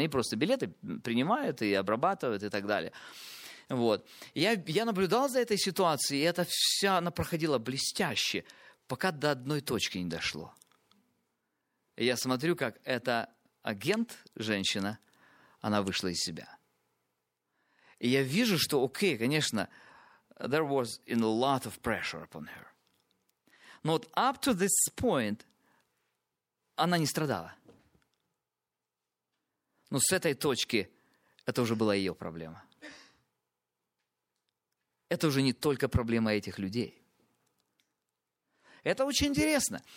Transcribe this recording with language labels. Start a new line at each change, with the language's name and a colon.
Russian: Они просто билеты принимают и обрабатывают, и так далее. Вот. Я наблюдал за этой ситуацией, и это все, она проходила блестяще, пока до одной точки не дошло. Я смотрю, как это... агент, женщина, она вышла из себя. И я вижу, что, окей, конечно,
English: there was a lot of pressure upon her.
Russian: Но вот
English: up to this point
Russian: она не страдала. Но с этой точки это уже была ее проблема. Это уже не только проблема этих людей. Это очень интересно.